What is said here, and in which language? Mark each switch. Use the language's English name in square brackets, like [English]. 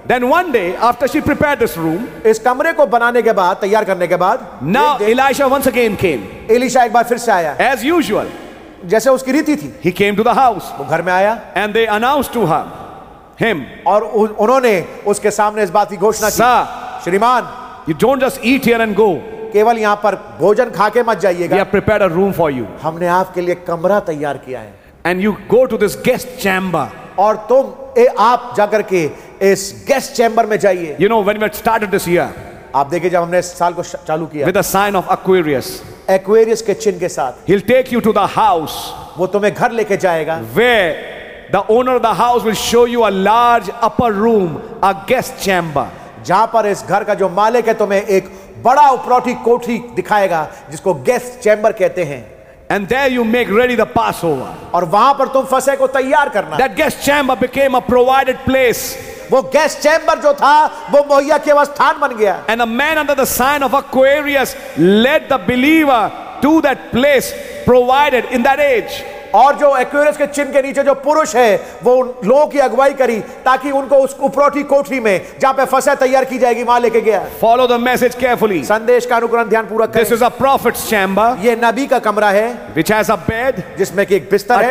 [English] Then one day after she prepared this room, [Hindi] इस कमरे को बनाने के बाद तैयार करने के बाद, [English] now Elisha once again came. [Hindi] Elisha एक बार फिर से आया. [English] As usual, [Hindi] जैसे उसकी रीति थी. [English] He came to the house. [Hindi] वो घर में आया. [English] And they announced to her. Him. [Hindi] और उन्होंने उसके सामने इस बात की घोषणा की. श्रीमान, [English] you don't just eat here and go. [Hindi] केवल यहाँ पर भोजन खाके मत जाइएगा. [English] We have prepared a room for you. [Hindi] हमने आपके लिए कमरा तैयार किया है. [English] And you go to this guest chamber. [Hindi] और तुम आप जाकर के इस guest chamber में जाइए. [English] You know, when we started this year. [Hindi] आप देखिए जब हमने इस साल को चालू किया. [English] With a sign of Aquarius. [Hindi] Aquarius के चिन्ह के साथ. [English] He'll take you to the house. [Hindi] वो तुम्हें घर लेके जाएगा. [English] Where the owner of the house will show you a large upper room, a guest chamber. [Hindi] जहाँ पर इस घर का जो मालिक है तुम्हें एक बड़ा उपरोटी कोठी दिखाएगा, जिसको guest chamber कहते हैं. [English] And there you make ready the Passover. [Hindi] और वहाँ पर तुम फसे को तैयार करना. [English] That guest chamber became a provided place. [Hindi] वो guest chamber जो था, वो मुहैया के स्थान बन गया. [English] And a man under the sign of Aquarius led the believer to that place provided in that age. [Hindi] और जो एक्वेरियस के चिन्ह के नीचे जो पुरुष है वो लोगों की अगुवाई करी ताकि उनको उस उपरोटी कोठरी में जहां पे फसे तैयार की जाएगी वहां लेके गया. [English] Follow the message carefully. [Hindi] संदेश का अनुकरण ध्यान पूरा करें. [English] This is a prophet's chamber. [Hindi] ये नबी का कमरा है. [English] Which has a bed. [Hindi] जिसमें कि एक बिस्तर है.